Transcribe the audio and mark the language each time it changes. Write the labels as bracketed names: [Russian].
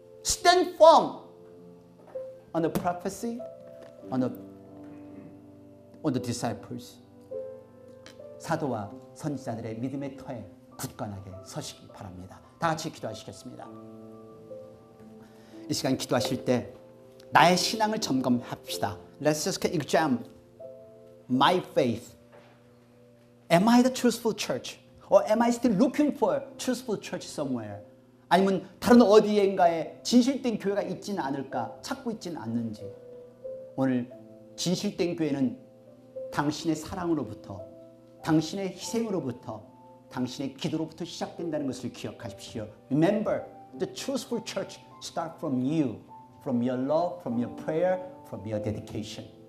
[English] Stand firm on the prophecy, on the disciples. [Korean] 사도와 선지자들의 믿음의 터에 굳건하게 서시기 바랍니다. 다 같이 기도하시겠습니다. 이 시간 기도하실 때 나의 신앙을 점검합시다. [English] Let's just examine my faith. Am I the truthful church? Or am I still looking for a truthful church somewhere? [Korean] 아니면 다른 어디인가에 진실된 교회가 있지는 않을까? 찾고 있지는 않는지. 오늘 진실된 교회는 당신의 사랑으로부터, 당신의 희생으로부터, 당신의 기도로부터 시작된다는 것을 기억하십시오. [English] Remember, the truthful church starts from you, from your love, from your prayer, from your dedication.